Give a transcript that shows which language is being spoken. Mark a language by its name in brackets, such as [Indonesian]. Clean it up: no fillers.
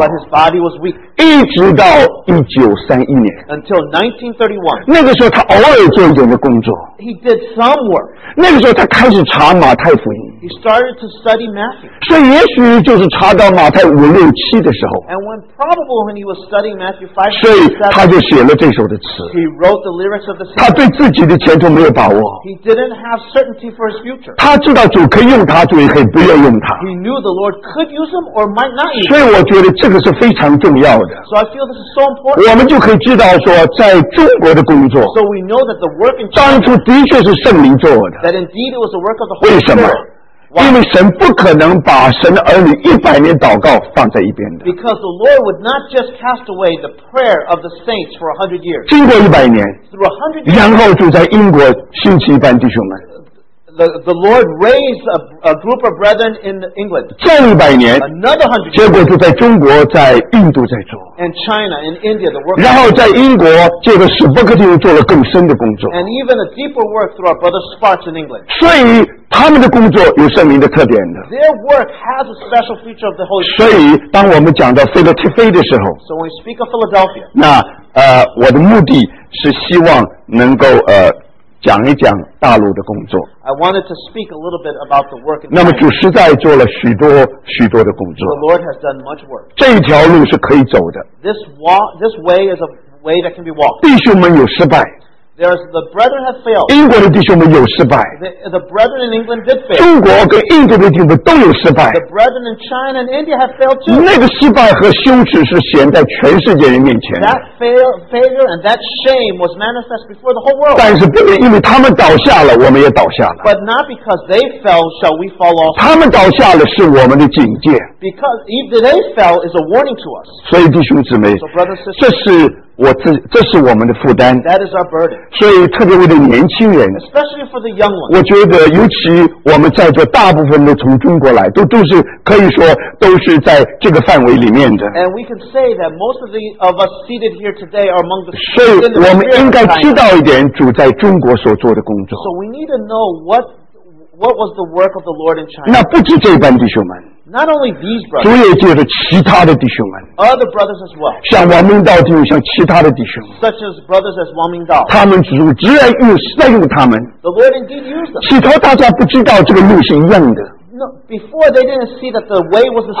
[English] But his body was weak. [Chinese] 一直到1931年。 [English] Until 1931. [Chinese] 那个时候他偶尔做一点的工作。 [English] He did some work. [Chinese] 那个时候他开始查马太福音。 [English] He started to study Matthew. [Chinese] 所以也许就是查到马太5、6、7的时候。 [English] And when probably when he was studying Matthew 5, [Chinese] 所以他就写了这首的词。 [English] He wrote the lyrics of the song. [Chinese] 他对自己的前途没有把握。 [English] He didn't have certainty for his future. [Chinese] 他知道主可以用他，主也可以不要用他。 [English] He knew the Lord could use him or might not use him. [Chinese] 所以我觉得这个是非常重要的。 [English] So I feel this is so important. [Chinese] 我们就可以知道说在中国的工作， [English] So we know that the work in China, [Chinese] 当初的确是圣灵做的。 [English] That indeed it was the work of the Holy Spirit. [Chinese] 为什么？因为神不可能把神的儿女100年祷告放在一边的。 [English] Because the Lord would not just cast away the prayer of the saints for 100 years. [Chinese] 经过100年， [English] Through 100 years, [Chinese] 然后就在英国兴起一班弟兄们。 [English] The Lord raised a group of brethren in England. [Chinese] 再100年， [English] Another 100 years. [Chinese] 结果就在中国，在印度在做。 [English] And China, in India, the work. [Chinese] 然后在英国，这个史伯克弟兄做了更深的工作。 [English] And even a deeper work through our brother Sparks in England. [Chinese] 所以他们的工作有圣灵的特点的。 [English] Their work has a special feature of the Holy Spirit. [Chinese] 所以当我们讲到菲勒提菲的时候， [English] So when we speak of Philadelphia, [Chinese] 那我的目的是希望能够讲一讲大陆的工作。 [English] I wanted to speak a little bit about the work. [Chinese] 那么主实在做了许多许多的工作。 [English] The Lord has done much work. [Chinese] 这一条路是可以走的。 [English] This way is a way that can be walked. [Chinese] 弟兄们有失败。 [English] The brethren have failed. [Chinese] 英国的弟兄们有失败。 [English] The brethren in England did fail. [Chinese] 中国跟印度的弟兄们都有失败。 [English] The brethren in China and India have failed too. [Chinese] 那个失败和羞耻是显在全世界人面前。 [English] That failure and that shame was manifest before the whole world. [Chinese] 但是不能因为他们倒下了，我们也倒下了。 [English] But not because they fell shall we fall off. [Chinese] 他们倒下了是我们的警戒。 [English] Because if they fell is a warning to us. [Chinese] 所以弟兄姊妹， [English] so brothers and sisters, [Chinese] 这是 这是我们的负担。 [English] That is our burden. [Chinese] 所以特别为了年轻人， [English] Especially for the young ones. [Chinese] 我觉得尤其我们在座大部分的从中国来， 都是可以说都是在这个范围里面的。 [English] And we can say that most of, the, of us seated here today are among the people. [Chinese] 所以我们应该知道一点主在中国所做的工作。 [English] So we need to know what was the work of the Lord in China. [Chinese] 那不止这班弟兄们， [English] Not only these brothers, other brothers as well. [Chinese] 像王明道弟兄，像其他的弟兄， [English] such as brothers as 王明道， [Chinese] 他们只用，只在用他们。 [English] The Lord indeed used them. [Chinese] 起初大家不知道这个路是一样的。 [English] No, before they didn't see that the way was the same.